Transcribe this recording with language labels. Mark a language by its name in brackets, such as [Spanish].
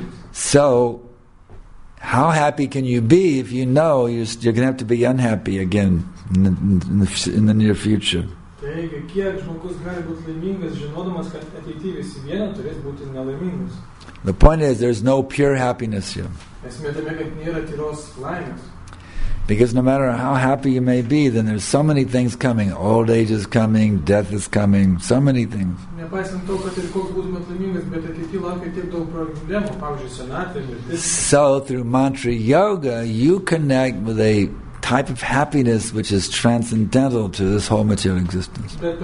[English] So, how happy can you be if you know you're going to have to be unhappy again in the near future? [Lithuanian] Taigi, kiek žmogus gali būti laimingas, žinodamas, kad ateityje visi vieną turės būti nelaimingas. [English] The point is, there's no pure happiness here. [Lithuanian] Esmė tame, kad nėra tyros laimės. [English] Because no matter how happy you may be, then there's so many things coming. Old age is coming, death is coming, so many things. [Lithuanian] Nepaisant to, kad ir koks būtumėt laimingas, bet ateityje laukia tiek daug problemų, pavyzdžiui, senatvė, mirtis. [English] So, through mantra yoga, you connect with a type of happiness which is transcendental to this whole material existence.